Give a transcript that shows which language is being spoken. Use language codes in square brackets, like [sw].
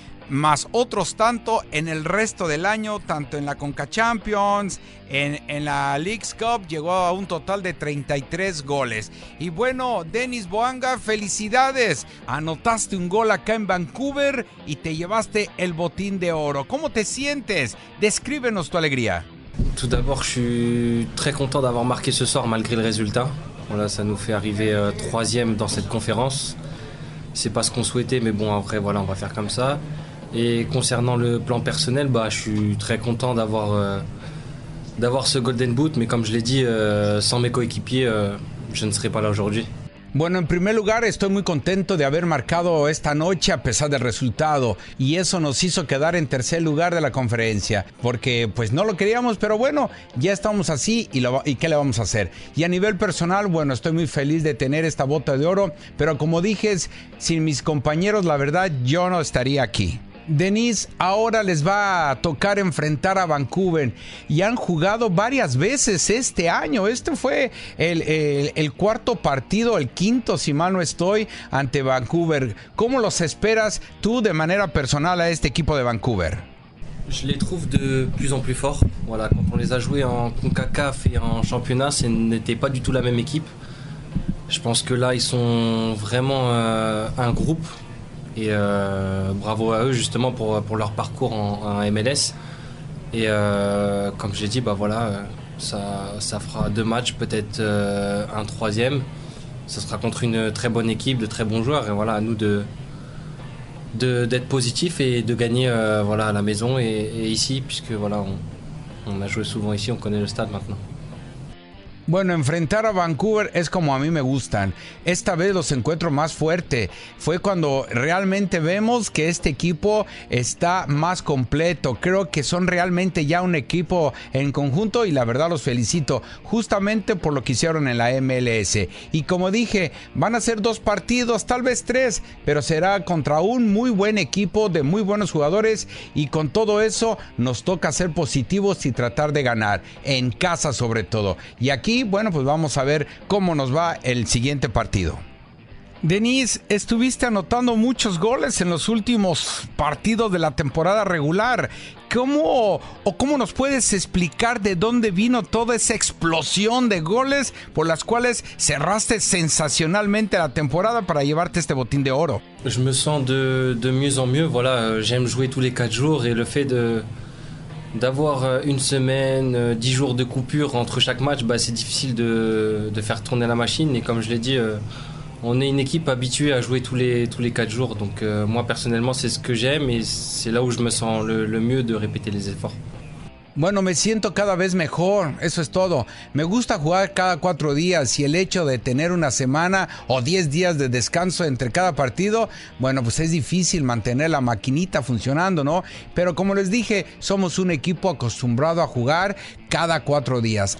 [es] más otros tanto en el resto del año, tanto en la Conca Champions, en la League's Cup, llegó a un total de 33 goles. Y bueno, Dennis Boanga, felicidades, anotaste un gol acá en Vancouver y te llevaste el botín de oro. ¿Cómo te sientes? Descríbenos tu alegría. [fr] Tout d'abord, je suis très content d'avoir marqué ce soir malgré le résultat. Voilà, ça nous fait arriver troisième dans cette conférence. C'est pas ce qu'on souhaitait, mais bon, après, voilà, on va faire comme ça. Et concernant le plan personnel, bah, je suis très content d'avoir, d'avoir ce Golden Boot. Mais comme je l'ai dit, sans mes coéquipiers, je ne serais pas là aujourd'hui. [es] Bueno, en primer lugar, estoy muy contento de haber marcado esta noche a pesar del resultado. Y eso nos hizo quedar en tercer lugar de la conferencia. Porque, pues, no lo queríamos, pero bueno, ya estamos así y qué le vamos a hacer. Y a nivel personal, bueno, estoy muy feliz de tener esta bota de oro. Pero como dije, sin mis compañeros, la verdad, yo no estaría aquí. Denise, ahora les va a tocar enfrentar a Vancouver y han jugado varias veces este año. Este fue el cuarto partido, el quinto, si mal no estoy, ante Vancouver. ¿Cómo los esperas tú de manera personal a este equipo de Vancouver? [fr] Je les trouve de plus en plus fort. Voilà, quand on les a joués en CONCACAF et en championnat, ce n'était pas du tout la même équipe. Je pense que là, ils sont vraiment un groupe. Et bravo à eux justement pour leur parcours en MLS. Et comme j'ai dit, bah voilà, ça fera deux matchs, peut-être un troisième. Ça sera contre une très bonne équipe, de très bons joueurs. Et voilà, à nous d'être positifs et de gagner voilà, à la maison et ici, puisque voilà, on a joué souvent ici, on connaît le stade maintenant. [es] Bueno, enfrentar a Vancouver es como a mí me gustan. Esta vez los encuentro más fuerte. Fue cuando realmente vemos que este equipo está más completo. Creo que son realmente ya un equipo en conjunto y la verdad los felicito justamente por lo que hicieron en la MLS. Y como dije, van a ser dos partidos, tal vez tres, pero será contra un muy buen equipo de muy buenos jugadores y con todo eso nos toca ser positivos y tratar de ganar en casa sobre todo. Y aquí bueno, pues vamos a ver cómo nos va el siguiente partido. Denise, estuviste anotando muchos goles en los últimos partidos de la temporada regular. ¿Cómo o cómo nos puedes explicar de dónde vino toda esa explosión de goles por las cuales cerraste sensacionalmente la temporada para llevarte este botín de oro? [fr] Je me sens de mieux en mieux, voilà, j'aime jouer tous les 4 jours et le fait de d'avoir une semaine, 10 jours de coupure entre chaque match, bah c'est difficile de faire tourner la machine. Et comme je l'ai dit, on est une équipe habituée à jouer tous les 4 jours. Donc moi, personnellement, c'est ce que j'aime et c'est là où je me sens le mieux de répéter les efforts. [es] Bueno, me siento cada vez mejor, eso es todo. Me gusta jugar cada 4 días y el hecho de tener una semana o 10 días de descanso entre cada partido, bueno, pues es difícil mantener la maquinita funcionando, ¿no? Pero como les dije, somos un equipo acostumbrado a jugar cada 4 días.